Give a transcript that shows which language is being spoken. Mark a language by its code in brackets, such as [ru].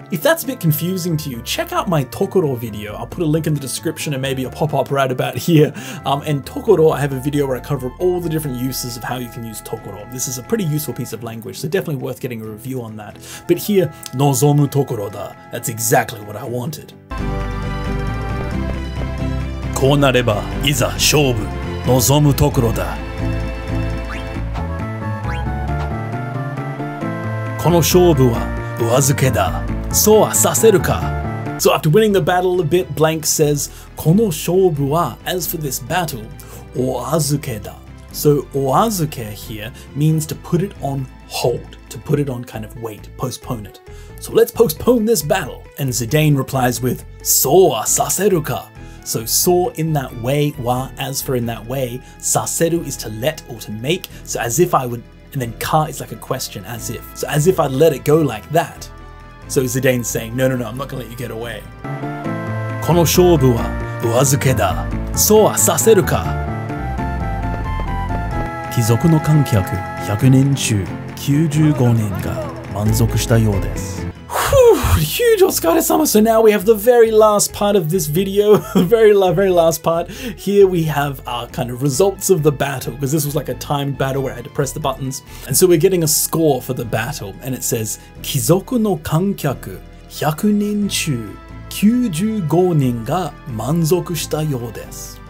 [en] If that's a bit confusing to you, check out my tokoro video. I'll put a link in the description and maybe a pop-up right about here. And tokoro, I have a video where I cover all the different uses of how you can use tokoro. This is a pretty useful piece of language, so definitely worth getting a review on that. But here, [ja] Nozomu tokoro da, [en] that's exactly what I wanted. [ja] こうなればいざ勝負、望むところだ。この勝負は上付けだ。そうはさせるか。 [en] So after winning the battle a bit, Blank says, [ja] この勝負は、 [en] as for this battle, [ja] お預けだ。 [en] So お預け here means to put it on hold, to put it on kind of wait, postpone it. So let's postpone this battle. And Zidane replies with, [ja] そうはさせるか。 [en] So そう in that way, は as for in that way, させる is to let or to make, so as if I would... And then ka is like a question, as if. So as if I'd let it go like that. So Zidane's saying, no, no, no, I'm not going to let you get away. [ja] この勝負は上付けだ。そうはさせるか。貴族の観客100人中95人が満足したようです。 Huge Oscar Summer. [en] So now we have the very last part of this video. very last part. Here we have our kind of results of the battle, because this was like a timed battle where I had to press the buttons. And so we're getting a score for the battle. And it says, [ja] Kizoku no kankyaku, 100 nin chu, 95 nin ga manzoku shita yō desu.